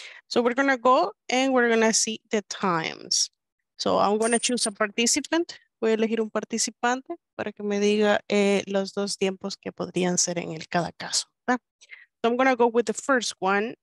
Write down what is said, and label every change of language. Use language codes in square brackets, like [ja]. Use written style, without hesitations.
[en] So we're gonna go and we're gonna see the times. So I'm gonna choose a participant. [es] Voy a elegir un participante para que me diga los dos tiempos que podrían ser en el cada caso. [en] So I'm gonna go with the first one.